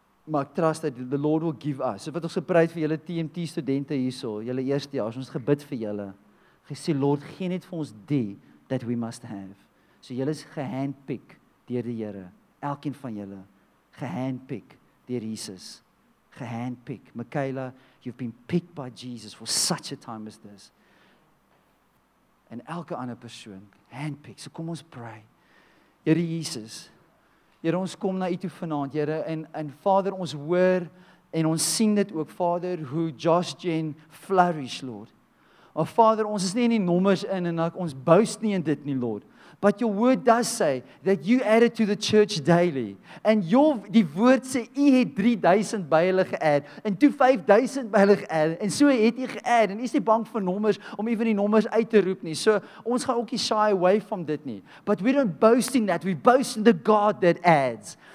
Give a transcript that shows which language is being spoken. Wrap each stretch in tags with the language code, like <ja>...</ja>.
<af>maar ek</af> <en>trust that the Lord will give us.</en> <af>So wat ons gepraat het vir julle TMT studente hierso, julle eerste jaar, ons gebid vir julle. Gesê Lord, gee net vir ons die</af> <en>that we must have.</en> <af>So julle is gehandpick deur die Here, elkeen van julle gehandpick deur Jesus. Gehandpick.</af> <en>Michaela, you've been picked by Jesus for such a time as this.</en> <af>En elke ander persoon, handpick. So kom ons pray. Here Jesus, Here ons kom na u toe vanavond, Here, en Vader, ons hoor, en ons sien dit ook, Vader, hoe Josh Jen flourish, Lord. Oh, Vader, ons is nie in die nommers in, en ons boast nie in dit nie, Lord.</af> <en>But your word does say that you added to the church daily. And your</en> <af>die woord sê, jy het 3000 by hulle geadd, en toe 5000 by hulle geadd, en so het jy geadd, en jy is nie bang vir nommers, om even die nommers uit te roep nie. So, ons gaan ook nie</af> <en>shy away from</en> <af>dit nie.</af> <en>But we don't boast in that, we boast in the God that adds.</en>